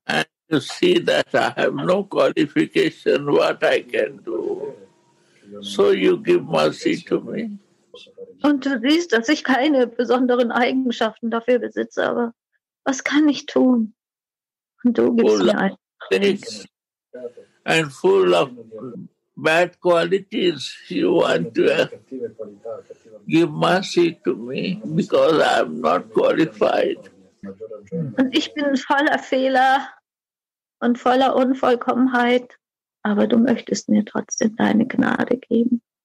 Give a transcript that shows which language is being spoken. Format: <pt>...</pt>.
<en>And you see that I have no qualification what I can do. So you give mercy to me.</en> <de>Und du siehst, dass ich keine besonderen Eigenschaften dafür besitze, aber was kann ich tun? Und du gibst full mir einfach.</de> <en>And full of bad qualities, you want to give mercy to me because I am not qualified.</en> <de>Und ich bin voller Fehler und voller Unvollkommenheit, aber du möchtest mir trotzdem deine Gnade geben.</de>